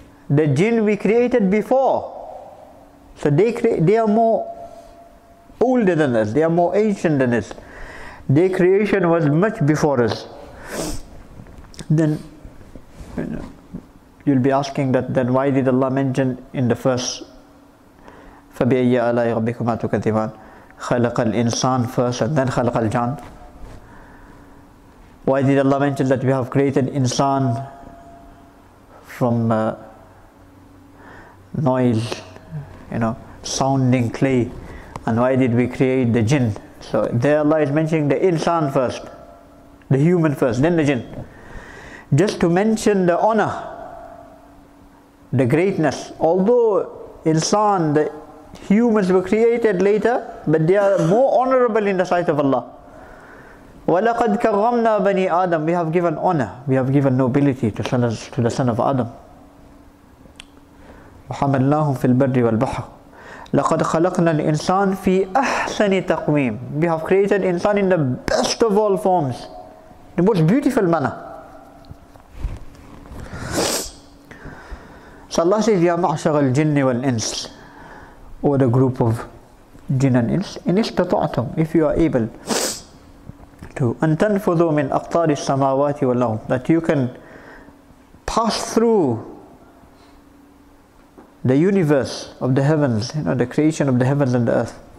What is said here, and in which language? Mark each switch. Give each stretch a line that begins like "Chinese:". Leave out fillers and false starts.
English: The jinn we created before. So they are more older than us, they are more ancient than us. Their creation was much before us. Then, you'll be asking that, then why did Allah mention in the first,
Arabic: فَبِأَيَّ أَلَىٰي رَبِّكُمَا تُكَذِّبَانِ. خَلَقَ الْإِنسَانِ
English: first and then
Arabic: خَلَقَ الْجَانِ.
English: Why did Allah mention that we have created insan from noise, sounding clay, And why did we create the jinn? So there Allah is mentioning the insan first, the human first, then the jinn. Just to mention the honor, the greatness. Although insan, the humans were created later, but they are more honorable in the sight of Allah.
Arabic: وَلَقَدْ كَرَّمْنَا بَنِي آدَمَ.
English: We have given honor, we have given nobility to the son of Adam.
Arabic: وَحَمَلْنَاهُمْ فِي الْبَرِّ وَالْبَحْرِ. لَقَدْ خَلَقْنَا الْإِنسَانَ فِي أَحْسَنِ تَقْوِيمٍ.
English: We have created insan in the best of all forms, the most beautiful manner. So Allah says,
Arabic: يَا مَعْشَغَ الْجِنِّ وَالْإِنسِ.
English: Or the group of jinn and ins.
Arabic: إِنْ إِسْتَطَعْتُمْ.
English: If you are able to.
Arabic: أَنْ تَنْفُذُوا مِنْ أَقْطَارِ السَّمَاوَاتِ وَالْأَرْضِ.
English: That you can pass through the universe of the heavens, you know, the creation of the heavens and the earth.